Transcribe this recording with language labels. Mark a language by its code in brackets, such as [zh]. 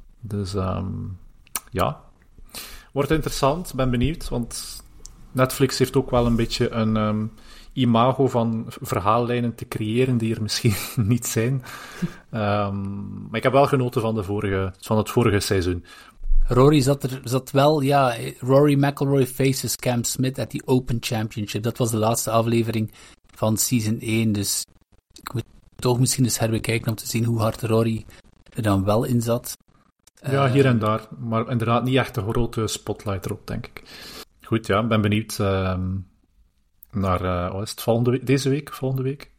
[nl] Dus wordt interessant, ben benieuwd, want Netflix heeft ook wel een beetje een imago van verhaallijnen te creëren die er misschien niet zijn. Maar ik heb wel genoten van het vorige seizoen. [en] Rory zat wel, ja, Rory McIlroy faces Cam Smith at the Open Championship. [nl] Dat was de laatste aflevering van season 1, dus ik moet toch misschien eens herbekijken om te zien hoe hard Rory er dan wel in zat. Ja, hier en daar, maar inderdaad niet echt een grote spotlight erop, denk ik. Goed, ja, ben benieuwd naar, wat is het, volgende week, deze week, volgende week?